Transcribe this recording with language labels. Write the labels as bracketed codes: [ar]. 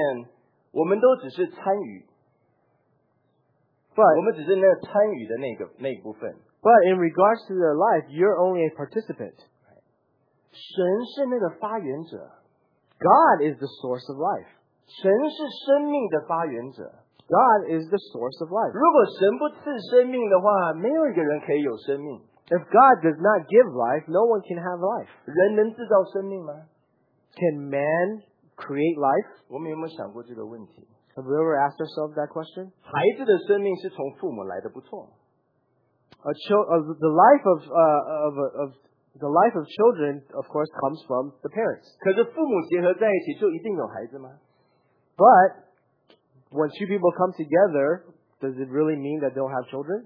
[zh] 可是你知道，在生命的这件事情上面，我们都只是参与。 [en] But in regards to their life, you're only a participant. [zh] 神是那个发源者。 [en] God is the source of life. [zh] 神是生命的发源者。 [en] God is the source of life. [zh] 如果神不赐生命的话, 没有一个人可以有生命。 [en] If God does not give life, no one can have life. [zh] 人能制造生命吗? [en] Can man create life? [zh] 我们有没有想过这个问题? [en] Have we ever asked ourselves that question? [zh] 孩子的生命是从父母来的，不错。 [en] The life of children, of course, comes from the parents. [zh] 可是父母结合在一起，就一定有孩子吗？ [en] But when two people come together, does it really mean that they'll have children?